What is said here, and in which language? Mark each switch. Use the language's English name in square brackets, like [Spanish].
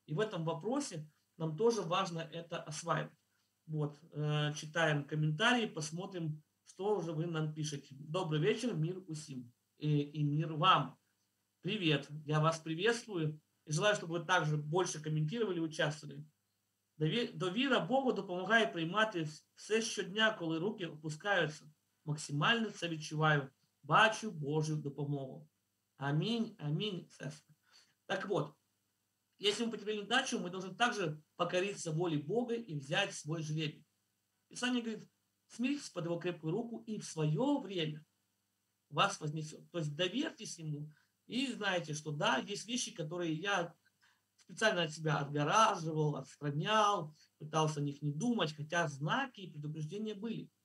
[Russian] И в этом вопросе нам тоже важно это осваивать. Вот, читаем комментарии, посмотрим, что уже вы нам пишете. Добрый вечер, [Ukrainian] мир усим [Russian] и мир вам. Привет, я вас приветствую и желаю, чтобы вы также больше комментировали, участвовали. [Ukrainian] Довіра Богу допомагає приймати все щодня, коли руки опускаються. Максимально це відчуваю. Бачу Божу допомогу. Амінь, амінь, сестра. [Russian] Так вот, если мы потеряли удачу, мы должны также покориться воле Бога и взять свой жребий. Писание говорит, смиритесь под его крепкую руку, и в свое время вас вознесет. То есть доверьтесь ему, и знаете, что да, есть вещи, которые я специально от себя отгораживал, отстранял, пытался о них не думать, хотя знаки и предупреждения были.